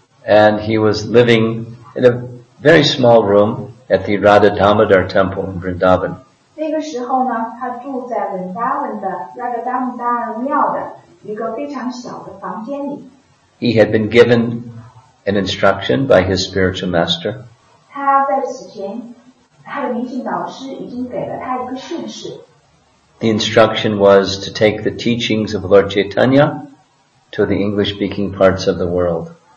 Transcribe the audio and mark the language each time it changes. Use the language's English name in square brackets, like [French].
[English] And he was living in a very small room at the Radha Damodar temple in Vrindavan. [Chinese] 那个时候呢, 他住在 Vrindavan的 Radha Damodar庙的一个 非常小的房间里. [English] He had been given an instruction by his spiritual master. [Chinese] 他在此前,他的明星导师已经给了他一个训示。 [English] The instruction was to take the teachings of Lord Chaitanya to the English-speaking parts of the world.